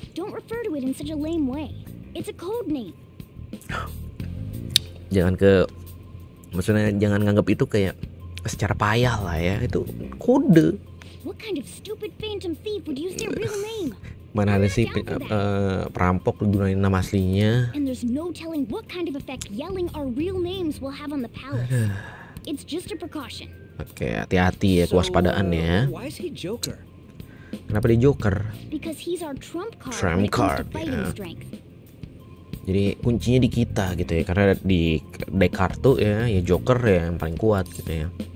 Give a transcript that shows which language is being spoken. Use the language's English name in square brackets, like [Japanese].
[English] Don't refer to it in such a lame way. It's a code name. [Indonesian] Jangan ke, maksudnya jangan nganggap itu kayak secara payah lah ya, itu kode. [English] What kind of stupid phantom thief would use their real name? [Indonesian] Mana ada sih perampok gunain nama aslinya. [English] And there's no telling what kind of effect yelling our real names will have on the palace. It's just a precaution. [Indonesian] Oke, hati-hati ya, kewaspadaan ya. [English] Why is he Joker? [Indonesian] Kenapa dia Joker? [English] Because he's our trump card. Trump card. Yeah. [Indonesian] Jadi kuncinya di kita gitu ya, karena di deck kartu ya, ya Joker ya yang paling kuat gitu ya.